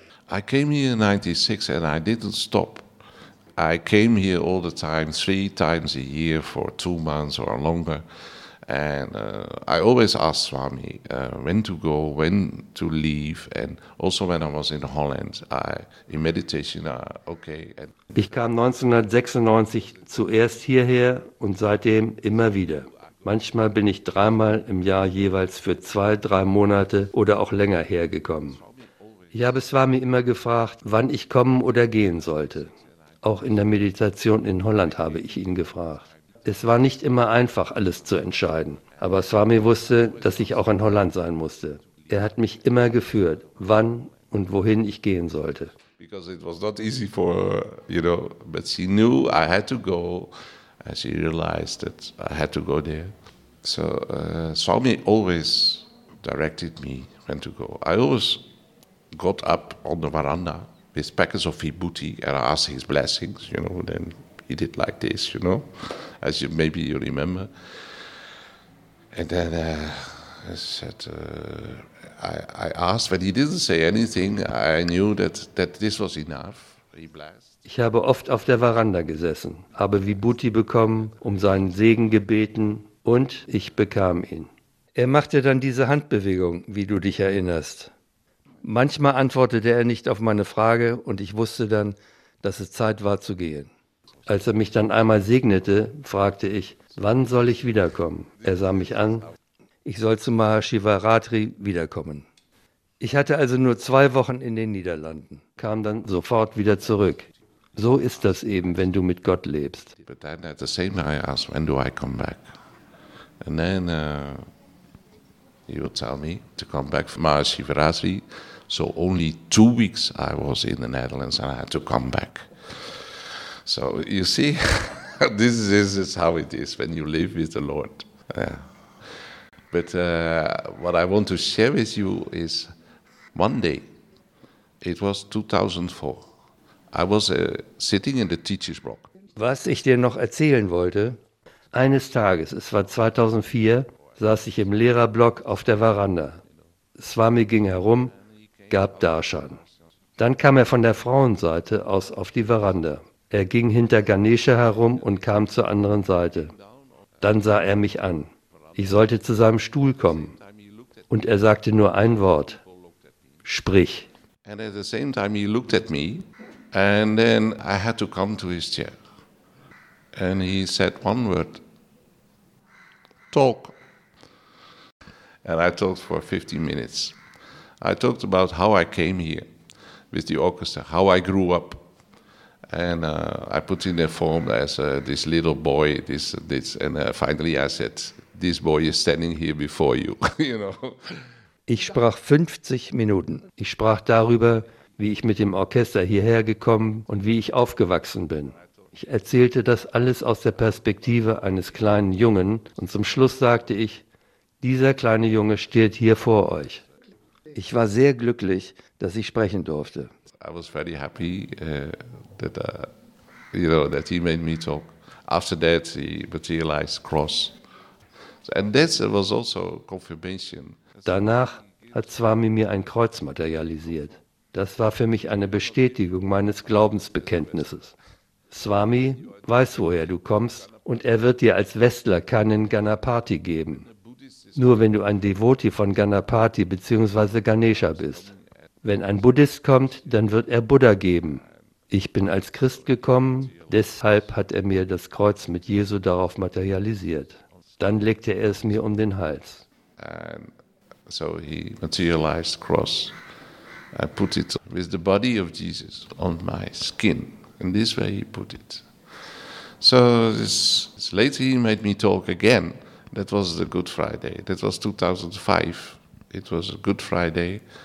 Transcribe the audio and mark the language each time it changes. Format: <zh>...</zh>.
<en>I came here in 96 and I didn't stop. I came here all the time, 3 times a year for 2 months or longer. And I always asked Swami when to go, when to leave. And also when I was in Holland, in meditation, okay. And</en> <de>ich kam 1996 zuerst hierher und seitdem immer wieder. Manchmal bin ich 3-mal im Jahr jeweils für 2-3 Monate oder auch länger hergekommen. Ich habe Swami immer gefragt, wann ich kommen oder gehen sollte. Auch in der Meditation in Holland habe ich ihn gefragt. Es war nicht immer einfach, alles zu entscheiden. Aber Swami wusste, dass ich auch in Holland sein musste. Er hat mich immer geführt, wann und wohin ich gehen sollte.</de> <en>Because it was not easy for her, you know, but she knew I had to go. And she realized that I had to go there. So Swami always directed me when to go. I always got up on the veranda with packets of vibhuti and asked his blessings, you know, then he did like this, you know, as you maybe you remember. And then I asked, but he didn't say anything. I knew that this was enough. He blessed.</en> <de>Ich habe oft auf der Veranda gesessen, habe Vibhuti bekommen, um seinen Segen gebeten, und ich bekam ihn. Er machte dann diese Handbewegung, wie du dich erinnerst. Manchmal antwortete er nicht auf meine Frage und ich wusste dann, dass es Zeit war zu gehen. Als er mich dann einmal segnete, fragte ich, wann soll ich wiederkommen? Er sah mich an, ich soll zu Mahashivaratri wiederkommen. Ich hatte also nur 2 Wochen in den Niederlanden, kam dann sofort wieder zurück. So ist das eben, wenn du mit Gott lebst.</de> <en>But then at the same time I asked, when do I come back? And then you tell me to come back from Mahashivaratri. So only 2 weeks I was in the Netherlands and I had to come back. So you see, this is how it is when you live with the Lord. Yeah. But what I want to share with you is one day, it was 2004, I was sitting in the teacher's block.</en> <de>Was ich dir noch erzählen wollte, eines Tages, es war 2004, saß ich im Lehrerblock auf der Veranda. Swami ging herum, gab Darshan. Dann kam er von der Frauenseite aus auf die Veranda. Er ging hinter Ganesha herum und kam zur anderen Seite. Dann sah er mich an. Ich sollte zu seinem Stuhl kommen. Und er sagte nur ein Wort. Sprich.</de> <en>And at the same time he looked at me and then I had to come to his chair. And he said one word. Talk. And I talked for 15 minutes. I talked about how I came here with the orchestra, how I grew up. And I put in a form as this little boy, finally I said, this boy is standing here before you, you know.</en> <de>Ich sprach 50 Minuten. Ich sprach darüber, wie ich mit dem Orchester hierher gekommen und wie ich aufgewachsen bin. Ich erzählte das alles aus der Perspektive eines kleinen Jungen und zum Schluss sagte ich, dieser kleine Junge steht hier vor euch. Ich war sehr glücklich, dass ich sprechen durfte.</de> <en>I was very happy that he made me talk. After that, he materialized cross. And that was also confirmation.</en> <de>Danach hat Swami mir ein Kreuz materialisiert. Das war für mich eine Bestätigung meines Glaubensbekenntnisses. Swami weiß, woher du kommst, und er wird dir als Westler keinen Ganapati geben. Nur wenn du ein Devoti von Ganapati bzw. Ganesha bist. Wenn ein Buddhist kommt, dann wird er Buddha geben. Ich bin als Christ gekommen, deshalb hat er mir das Kreuz mit Jesu darauf materialisiert. Dann legte er es mir um den Hals.</de> <en>And so he materialized cross. I put it with the body of Jesus on my skin. And this way he put it. So this later he made me talk again. That was the Good Friday. That was 2005. It was a Good Friday.</en>